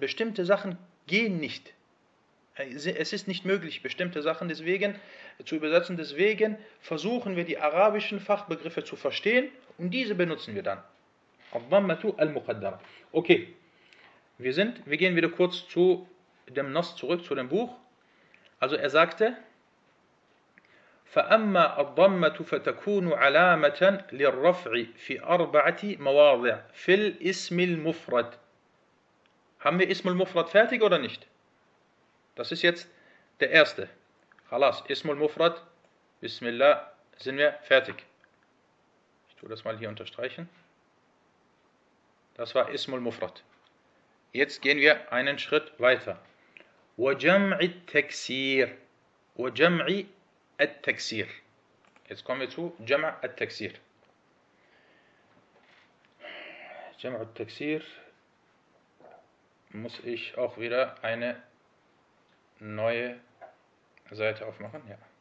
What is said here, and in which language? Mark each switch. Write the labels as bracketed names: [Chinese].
[German] Bestimmte Sachen gehen nicht. Es ist nicht möglich, bestimmte Sachen deswegen zu übersetzen. Deswegen versuchen wir, die arabischen Fachbegriffe zu verstehen und diese benutzen wir dann. Dhammatu al-Muqaddara. Okay, wir gehen wieder kurz zu dem Nass zurück, zu dem Buch. Also er sagte, [Arabic] فأما الضمة فتكون علامة للرفع في أربعة مواضع في الاسم المفرد. [German] Haben wir اسم المفرد fertig oder nicht? Das ist jetzt der erste. [Arabic] خلاص اسم المفرد بسم الله [German] sind wir fertig. Ich tue das mal hier unterstreichen. Das war اسم المفرد. Jetzt gehen wir einen Schritt weiter. [Arabic] وجمع التكسير وجمع التكسير. [German] Jetzt kommen wir zu Jama al-Taksir. Jama al-Taksir muss ich auch wieder eine neue Seite aufmachen. Ja.